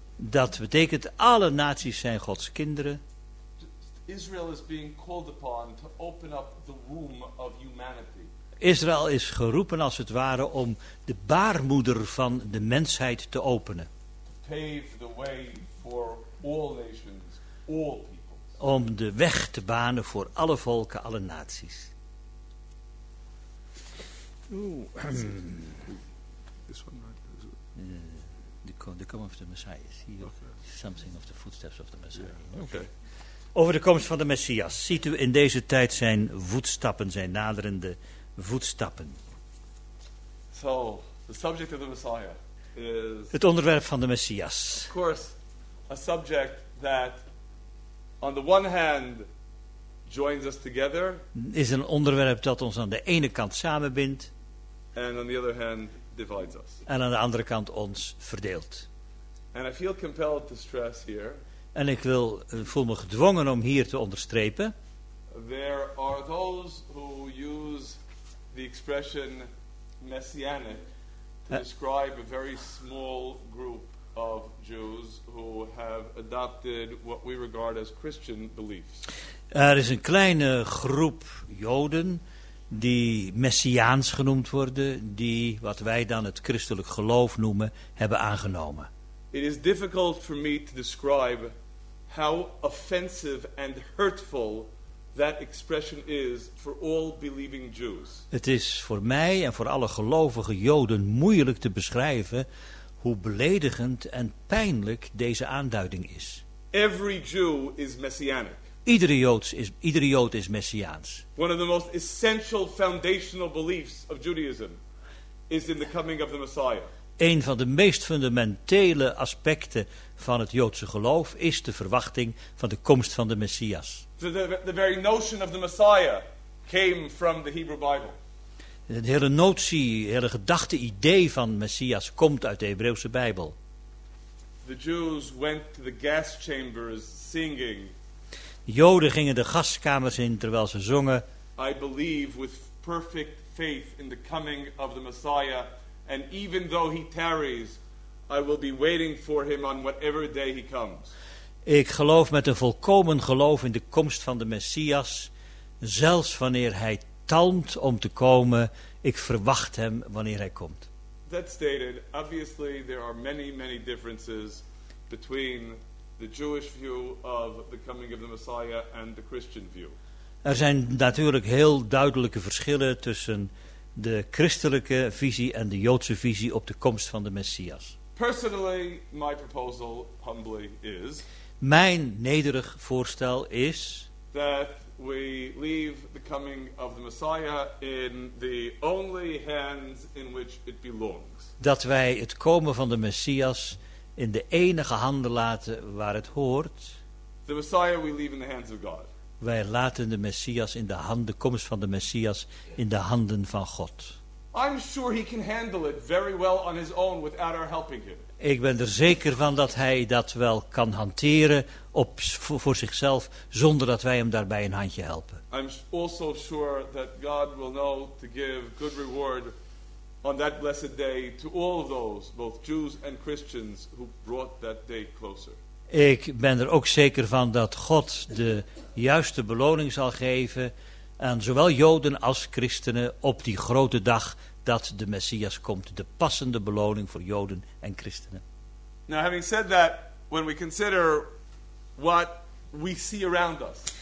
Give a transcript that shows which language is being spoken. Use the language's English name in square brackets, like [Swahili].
[Dutch] Dat betekent alle naties zijn Gods kinderen. [English] Israel is being called upon to open up the womb of humanity. [Dutch] Israël is geroepen als het ware om de baarmoeder van de mensheid te openen. [English] To pave the way for all nations, all peoples. [Dutch] Om de weg te banen voor alle volken, alle naties. De komst van de Messias. Hier, [English] okay. Something of the footsteps of the Messiah. Yeah. Okay. [Dutch] Over de komst van de Messias. Ziet u in deze tijd zijn voetstappen, zijn naderende voetstappen. [English] So, the subject of the Messiah is. [Dutch] Het onderwerp van de Messias. [English] Of course, a subject that, on the one hand, joins us together. [Dutch] Is een onderwerp dat ons aan de ene kant samenbindt. [English] And on the other hand, divides us. [Dutch] En aan de andere kant ons verdeelt. [English] And I feel compelled to stress here. [Dutch] En ik wil, voel me gedwongen om hier te onderstrepen. [English] There are those who use the expression messianic to describe a very small group of Jews who have adopted what we regard as Christian beliefs. [Dutch] Er is een kleine groep Joden die messiaans genoemd worden, die wat wij dan het christelijk geloof noemen, hebben aangenomen. [English] It is difficult for me to describe how offensive and hurtful that expression is for all believing Jews. [Dutch] Het is voor mij en voor alle gelovige Joden moeilijk te beschrijven hoe beledigend en pijnlijk deze aanduiding is. [English] Every Jew is messianic. [Dutch] Iedere Jood is messiaans. [English] One of the most essential foundational beliefs of Judaism is in the coming of the Messiah. [Dutch] Een van de meest fundamentele aspecten van het Joodse geloof is de verwachting van de komst van de Messias. [English] The very notion of the Messiah came from the Hebrew Bible. [Dutch] De hele notie, de hele gedachte, idee van Messias komt uit de Hebreeuwse Bijbel. [English] The Jews went to the gas chambers singing. [Dutch] De Joden gingen de gaskamers in terwijl ze zongen. [English] I believe with perfect faith in the coming of the Messiah, and even though he tarries, I will be waiting for him on whatever day he comes. [Dutch] Ik geloof met een volkomen geloof in de komst van de Messias, zelfs wanneer hij talmt om te komen, ik verwacht hem wanneer hij komt. [English] That stated, obviously there are many, many differences between the Jewish view of the coming of the Messiah and the Christian view. [Dutch] Er zijn natuurlijk heel duidelijke verschillen tussen de christelijke visie en de Joodse visie op de komst van de Messias. [English] Personally, my proposal humbly is. [Dutch] Mijn nederig voorstel is [English] that we leave the coming of the Messiah in the only hands in which it belongs. [Dutch] Dat wij het komen van de Messias in de enige handen laten waar het hoort. [English] The Messiah we leave in the hands of God. [Dutch] Wij laten de Messias in de handen, de komst van de Messias in de handen van God. [English] I'm sure he can handle it very well on his own without our helping him. [Dutch] Ik ben er zeker van dat hij dat wel kan hanteren op, voor zichzelf zonder dat wij hem daarbij een handje helpen. [English] I'm also sure that God will know to give good reward on that blessed day to all of those, both Jews and Christians, who brought that day closer. [Dutch] Ik ben er ook zeker van dat God de juiste beloning zal geven aan zowel Joden als Christenen op die grote dag dat de Messias komt. De passende beloning voor Joden en Christenen. [English] Now, having said that, when we consider what we see around us,